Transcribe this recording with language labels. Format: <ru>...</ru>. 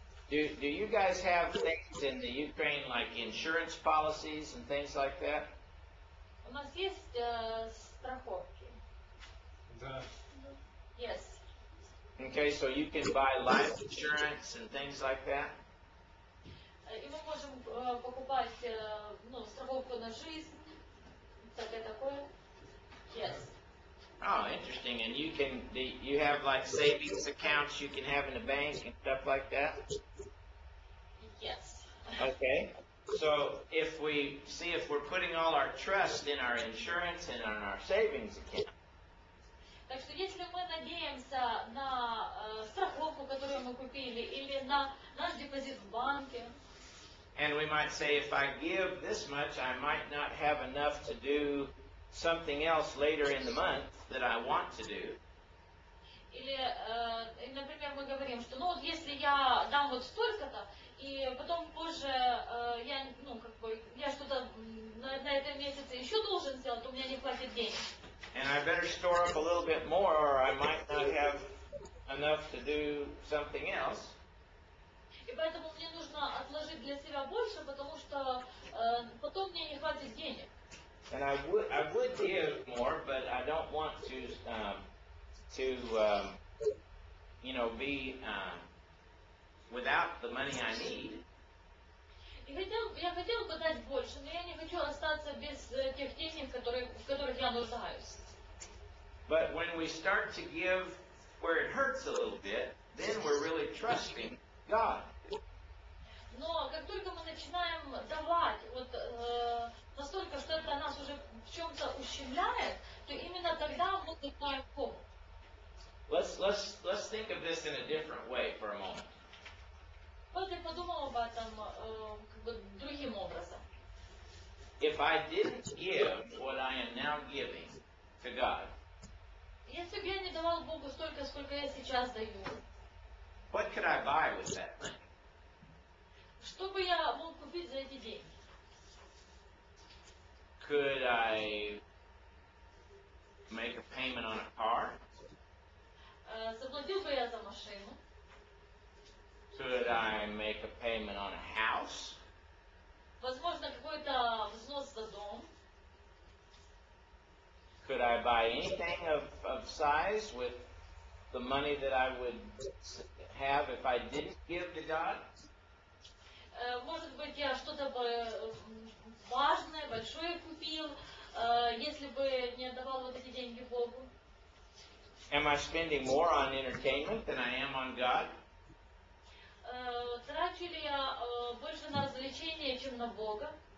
<en>Do you guys have things in the Ukraine like insurance policies and things like that?</en> <ru>У нас есть страховки. Да.</ru> <en>Yes. Okay, so you can buy life insurance and things like that.</en> <ru>И мы можем покупать страховку на жизнь, так и такое.</ru> <en>Yes. Oh, interesting. And you can, you have like savings accounts you can have in the bank and stuff like that? Yes. Okay. So if we're putting all our trust in our insurance and on our savings account.</en> <ru>Так что если мы надеемся на страховку, которую мы купили, или на наш депозит в банке.</ru> <en>And we might say, if I give this much, I might not have enough to do something else later in the month that I want to do.</en> <ru>Или, например, мы говорим, что, ну вот, если я дам вот столько-то, и потом позже я что-то на этом месяце еще должен сделать, то у меня не хватит денег.</ru> <en>And I better store up a little bit more, or I might not have enough to do something else.</en> <ru>И поэтому мне нужно отложить для себя больше, потому что потом мне не хватит денег.</ru> <en>And I would give more, but I don't want to without the money I need.</en> <ru>Я хотел бы дать больше, но я не хочу остаться без тех денег, в которых я нуждаюсь.</ru> <en>But when we start to give where it hurts a little bit, then we're really trusting God.</en> <ru>Но как только мы начинаем давать настолько, что это нас уже в чем-то ущемляет, то именно тогда мы начинаем</ru> <en>Let's think of this in a different way for a moment.</en> <ru>Вот я подумал об этом другим образом.</ru> <en>If I didn't give what I am now giving to God,</en> <ru>если бы я не давал Богу столько, сколько я сейчас даю,</ru> <en>what could I buy with that money?</en> <ru>Что бы я мог купить за эти деньги?</ru> <en>Could I make a payment on a car?</en> <ru>Заплатил бы я за машину.</ru> <en>Could I make a payment on a house?</en> <ru>Возможно, какой-то взнос за дом.</ru> <en>Could I buy anything of size with the money that I would have if I didn't give to God?</en> <ru>Может быть, я что-то бы важное, большое купил, если бы не отдавал вот эти деньги Богу.</ru> <en>Am I spending more on entertainment than I am on God?</en> <ru>Трачу ли я больше на развлечения, чем на Бога?</ru>